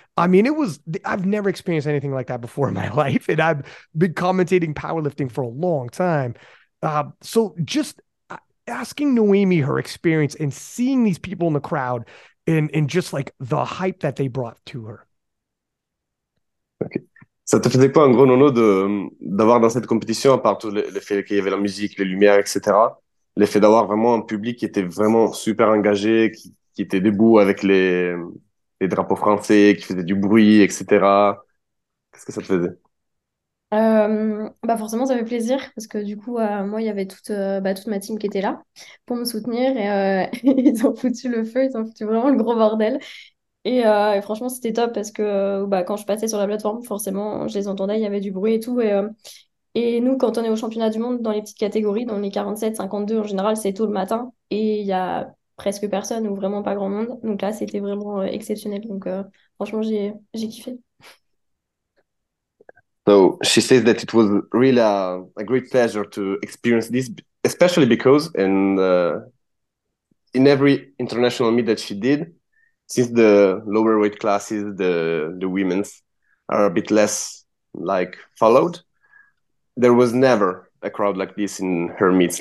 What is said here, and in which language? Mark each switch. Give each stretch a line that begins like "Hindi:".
English: I mean, I've never experienced anything like that before in my life, and I've been commentating powerlifting for a long time. So just asking Noemi her experience and seeing these people in the crowd. And just like the hype that they brought to her.
French: Ça te faisait quoi, en gros, Nono, d'avoir dans cette compétition, à part tout l'effet qu'il y avait la musique, les lumières, etc., l'effet d'avoir vraiment un public qui était vraiment super engagé, qui était debout avec les drapeaux français, qui faisait du bruit, etc. Qu'est-ce que ça te faisait? Bah forcément ça fait plaisir parce que du coup moi il y avait toute ma team qui était là pour me soutenir ils ont foutu le feu, ils ont foutu vraiment le gros bordel et franchement c'était top parce que bah quand je passais sur la plateforme forcément je les entendais, il y avait du bruit et tout et nous quand on est au championnat du monde dans les petites catégories, dans les 47, 52 en général c'est tôt le matin et il y a presque personne ou vraiment pas grand monde donc là c'était vraiment exceptionnel donc franchement j'ai kiffé.
English: So she says that it was really a great pleasure to experience this, especially because in every international meet that she did, since the lower weight classes, the women's are a bit less like followed, there was never a crowd like this in her meets.